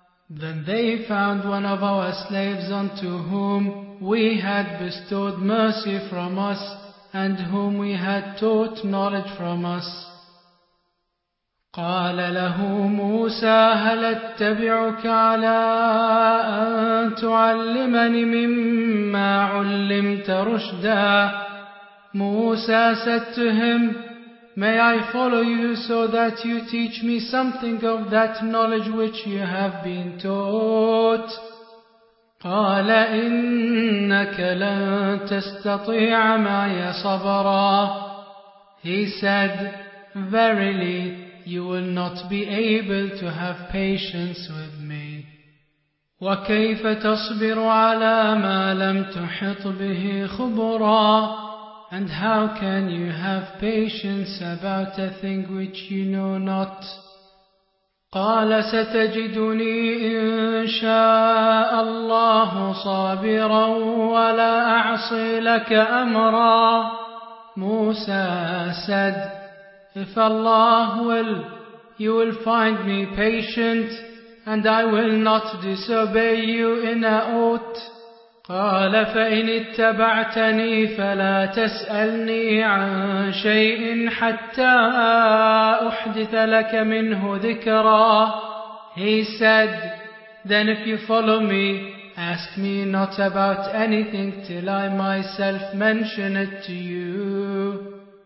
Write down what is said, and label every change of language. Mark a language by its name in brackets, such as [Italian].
[English] Then they found one of our slaves unto whom we had bestowed mercy from us and whom we had taught knowledge from us. [Arabic] قال له موسى هل اتبعك على أن تعلمني مما علمت رشدا. [English] موسى said to him, may I follow you so that you teach me something of that knowledge which you have been taught. [Arabic] قال إنك لن تستطيع معي صبرا. [English] He said, verily, you will not be able to have patience with me. [Arabic] وكيف تصبر على ما لم تحط به خبرا. [English] And how can you have patience about a thing which you know not? [Arabic] قال ستجدني إن شاء الله صابرا ولا أعصي لك أمرا. [English] موسى said, if Allah will, you will find me patient, and I will not disobey you in a oath. [Arabic] قال فإن اتبعتني فلا تسألني عن شيء حتى أحدث لك منه ذكرا. [English] He said, then if you follow me, ask me not about anything till I myself mention it to you.